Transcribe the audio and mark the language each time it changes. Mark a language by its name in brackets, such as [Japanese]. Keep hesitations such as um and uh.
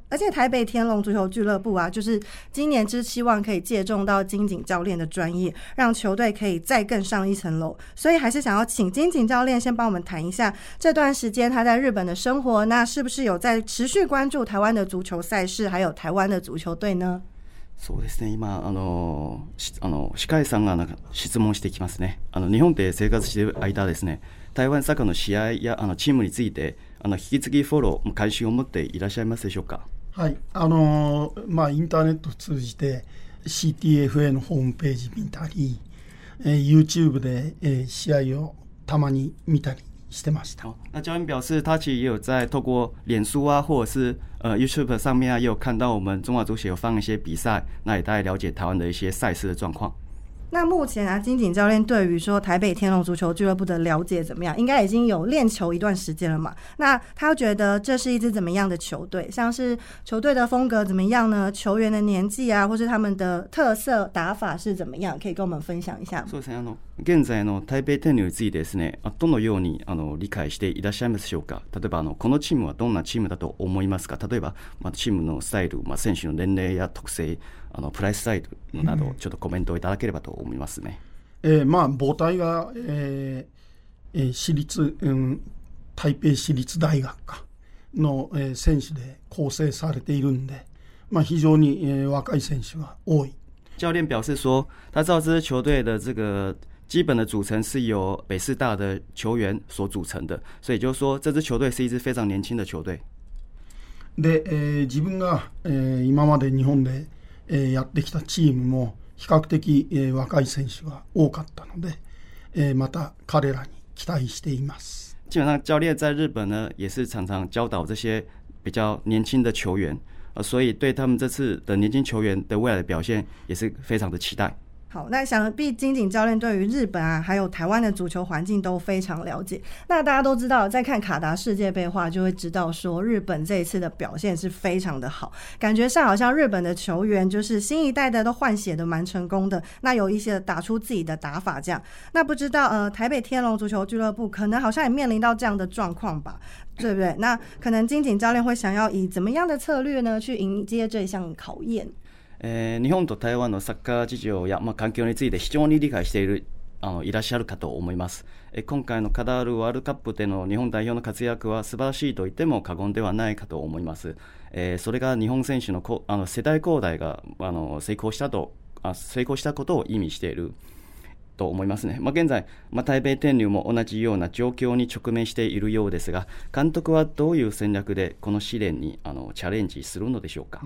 [Chinese] 而且台北天龙足球俱乐部啊，就是今年之期望可以借重到金井教练的专业，让球队可以再更上一层楼。所以还是想要请金井教练先帮我们谈一下这段时间他在日本的生活，那是不是有在持续关注台湾的足球赛事，还有台湾的足球队呢？ [Japanese] そうですね、今、あのあの司会さんがなんか質問してきますね、あの日本で生活している間です、ね、台湾サッカーの試合やあのチームについて、あの引き継ぎフォロー、関心を持っていらっしゃいますでしょうか。はいあのまあ、インターネットを通じて CTFA のホームページ見たり、えー、y o u t u b で、えー、試合をたまに見たり Oh, [Chinese] 那教练表示，他其实也有在透过脸书啊，或者是呃 YouTube 上面啊，也有看到我们中华足协有放一些比赛，那也大家了解台湾的一些赛事的状况。那目前啊，金井教练对于说台北天龙足球俱乐部的了解怎么样？应该已经有练球一段时间了嘛？那他觉得这是一支怎么样的球队？像是球队的风格怎么样呢？球员的年纪啊，或是他们的特色打法是怎么样？可以跟我们分享一下嗎。 [Japanese] 現在の台北天竜についてですね、どのようにあの理解していらっしゃいますでしょうか、例えばあのこのチームはどんなチームだと思いますか、例えば、まあ、チームのスタイル、まあ、選手の年齢や特性、あのプライスサイドなど、ちょっとコメントをいただければと思いますね。うん、えー、まあ、母体が、ええー、私立、うん、台北私立大学かの、え選手で構成されているんで、まあ、非常に、え若い選手が多い。 [Chinese] 教练表示说，他知道这支球队的基本的组成是由北师大的球员所组成的，所以就是说，这支球队是一支非常年轻的球队。 [Japanese] で、え、自分がえ今まで日本でえやってきたチームも比較的え若い選手が多かったので、えまた彼らに期待しています。 [Chinese] 基本上，教练在日本呢也是常常教导这些比较年轻的球员，所以对他们这次的年轻球员的未来的表现也是非常的期待。好，那想必金井教练对于日本啊，还有台湾的足球环境都非常了解。那大家都知道，在看卡达世界杯的话，就会知道说日本这一次的表现是非常的好，感觉上好像日本的球员就是新一代的都换血的蛮成功的。那有一些打出自己的打法，这样。那不知道呃，台北天龙足球俱乐部可能好像也面临到这样的状况吧 ，对不对？那可能金井教练会想要以怎么样的策略呢，去迎接这项考验？ [Japanese] えー、日本と台湾のサッカー事情や、まあ、環境について非常に理解しているあのいらっしゃるかと思います、えー、今回のカダールワールドカップでの日本代表の活躍は素晴らしいと言っても過言ではないかと思います、えー、それが日本選手のあの世代交代があの成功したとあ成功したことを意味していると思いますね、まあ、現在、まあ、台北天竜も同じような状況に直面しているようですが監督はどういう戦略でこの試練にあのチャレンジするのでしょうか、う